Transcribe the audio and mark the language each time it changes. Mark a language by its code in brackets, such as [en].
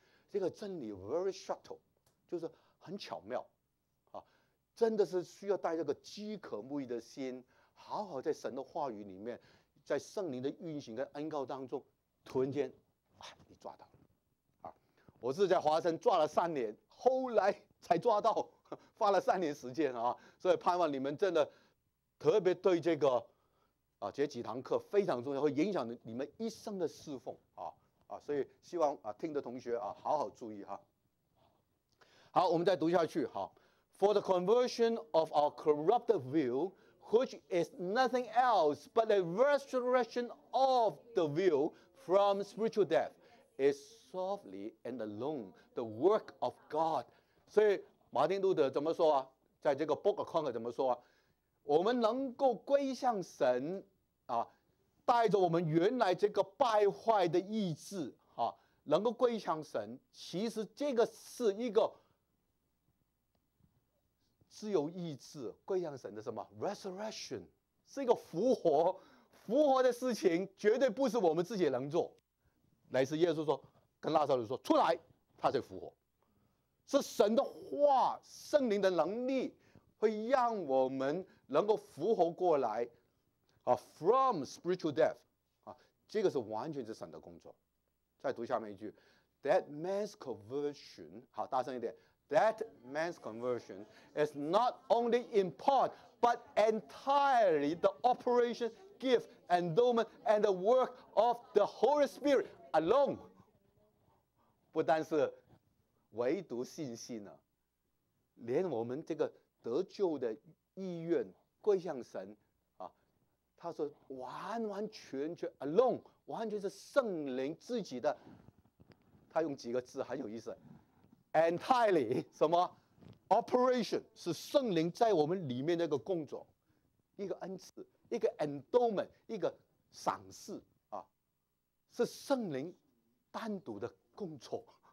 [zh] 这个真理 [en] very subtle， [zh] 就是很巧妙，啊，真的是需要带着个饥渴慕义的心，好好在神的话语里面，在圣灵的运行跟恩膏当中，突然间，你抓到了，我是在华山抓了3年，后来才抓到。花了3年时间啊，所以盼望你们真的特别对这个这几堂课非常重要，会影响你们一生的侍奉啊，所以希望听的同学好好注意哈。好，我们再读下去哈。 [en] For the conversion of our corrupt will, which is nothing else but the restoration of the will from spiritual death, is softly and alone the work of God. [zh] 所以马丁路德怎么说啊？在这个 Book of Concord 怎么说啊？我们能够归向神啊，带着我们原来这个败坏的意志啊，能够归向神，其实这个是一个自由意志归向神的什么 resurrection， 是一个复活，复活的事情绝对不是我们自己能做，乃是耶稣说跟拉撒路说出来，他才复活。是神的话，圣灵的能力会让我们能够复活过来啊 ， [en] from spiritual death [zh] 啊，这个是完全是神的工作。再读下面一句 [en] ，that man's conversion， [zh] 好，大声一点 [en] ，that man's conversion is not only in part but entirely the operation, gift, endowment, and the work of the Holy Spirit alone。 [zh] 不单是。唯独信心呢，连我们这个得救的意愿归向神啊，他说完完全全 alone， 完全是圣灵自己的。他用几个字很有意思 ，entirely 什么 operation 是圣灵在我们里面那个工作，一个恩赐，一个 endowment， 一个赏赐啊，是圣灵单独的工作。